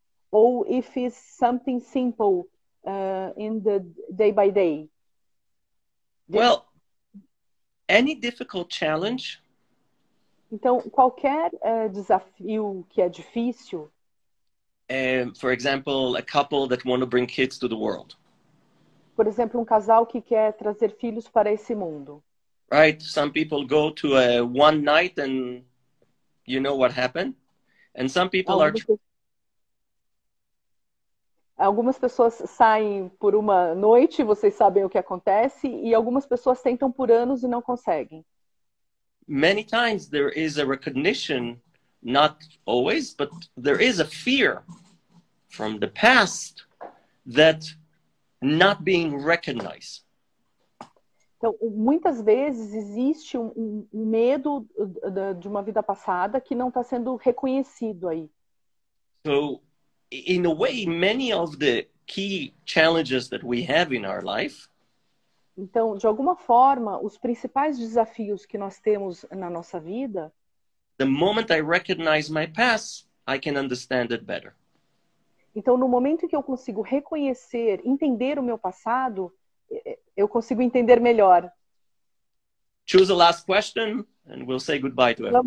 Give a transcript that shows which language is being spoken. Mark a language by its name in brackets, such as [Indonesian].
[English] Or if it's something simple in the day by day. Well, any difficult challenge. [Portuguese] Então, qualquer desafio que é difícil. [English] For example, a couple that want to bring kids to the world. [Portuguese] Por exemplo, um casal que quer trazer filhos para esse mundo. [English] Right, some people go to a one night and you know what happened. And some people [Portuguese] Algumas pessoas saem por uma noite, vocês sabem o que acontece, e algumas pessoas tentam por anos e não conseguem. [English] Many times there is a recognition. Not always, but there is a fear from the past that not being recognized. [Portuguese] Então, muitas vezes existe um medo de uma vida passada que não está sendo reconhecido aí. [English] So, in a way, many of the key challenges that we have in our life. [Portuguese] Então, de alguma forma, os principais desafios que nós temos na nossa vida. [English] The moment I recognize my past, I can understand it better. [Portuguese] Então, no momento que eu consigo reconhecer, entender o meu passado, eu consigo entender melhor. [English] Choose a last question, and we'll say goodbye to everyone.